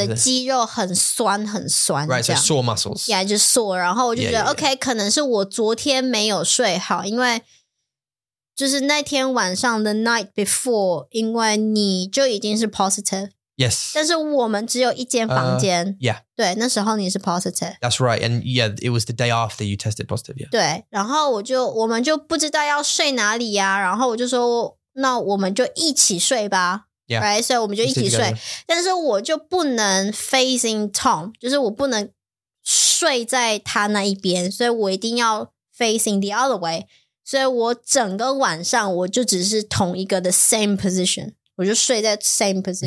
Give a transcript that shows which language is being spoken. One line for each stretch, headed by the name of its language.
Chinese: 感觉就是好像我刚运动完，然后我的肌肉很酸，很酸。Right,
English: so sore muscles.
Chinese: Yeah, just sore. 然后我就觉得，OK，可能是我昨天没有睡好，因为就是那天晚上， the night before，因为你就已经是 positive.
English: Yes.
Chinese: 但是我们只有一间房间。对，那时候你是 positive.
English: That's right. And yeah, it was the day after you tested positive. Yeah.
Chinese: 对，然后我就不知道要睡哪里呀，然后我就说。那我们就一起睡吧，所以我们就一起睡，但是我就不能 facing Tom，就是我不能睡在他那一边，所以我一定要 facing the other way，所以我整个晚上我就只是同一个 the same position，我就睡在 same position，